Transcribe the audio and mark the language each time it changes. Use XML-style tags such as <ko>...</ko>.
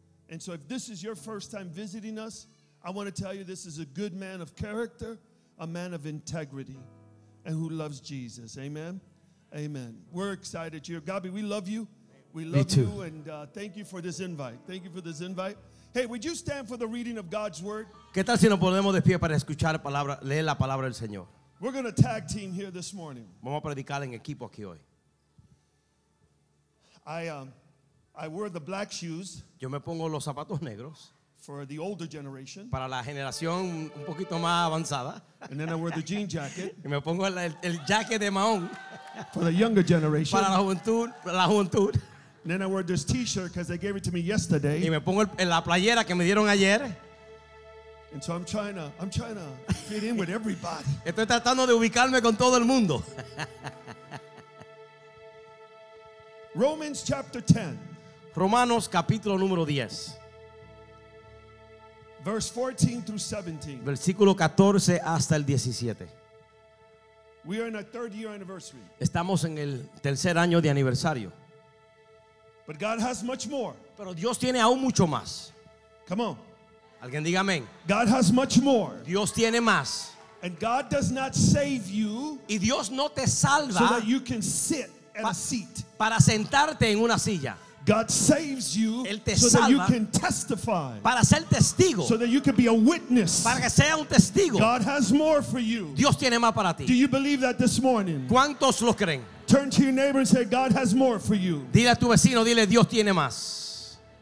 <en>And so if this is your first time visiting us, I want to tell you this is a good man of character, a man of integrity, and who loves Jesus. Amen. Amen. We're excited you're here. Gabby, we love you. We love Me too. You. And thank you for this invite. Thank you for this invite. Hey, would you stand for the reading of God's word?</en> <es>¿Qué tal si nos ponemos de pie para escuchar palabra, leer la palabra del Señor?</es> <en>We're going to tag team here this morning.</en> <es>Vamos a predicar en equipo aquí hoy.</es> <en>I wear the black shoes.</en> <es>Yo me pongo los zapatos negros.</es> <en>For the older generation.</en> <es>Para la generación un poquito más avanzada.</es> <en>And then I wear the jean jacket.</en> <es>Y me pongo el jacket de Mahón.</es> <en>For the younger generation.</en> <es>Para la juventud.</es> <en>And then I wear this t-shirt because they gave it to me yesterday.</en> <es>Y me pongo la playera que me dieron ayer.</es> <en>And so I'm trying to fit in with everybody.</en> <es>Estoy tratando de ubicarme con todo el mundo.</es> <en>Romans chapter 10.</en> <es>Romanos capítulo número 10.</es> <en>Verse 14 through 17.</en> <es>Versículo 14 hasta el 17.</es> <en>We are in our third year anniversary.</en> <es>Estamos en el tercer año de aniversario.</es> <en>But God has much more.</en> <es>Pero Dios tiene aún mucho más.</es> <en>Come on.</en> <es>Alguien diga amén.</es> <en>God has much more.</en> <es>Dios tiene más.</es> <en>And God does not save you.</en> <es>Y Dios no te salva.</es> <en>So that you can sit at a seat.</en> <es>Para sentarte en una silla.</es> <en>God saves you so that you can testify.</en> <es>Para ser testigo.</es> <en>So that you can be a witness.</en> <es>Para que sea un testigo.</es> <en>God has more for you.</en> <es>Dios tiene más para ti.</es> <en>Do you believe that this morning?</en> <es>¿Cuántos lo creen?</es> <en>Turn to your neighbor and say, God has more for you.</en> <es>Dile a tu vecino, dile, Dios tiene más.</es>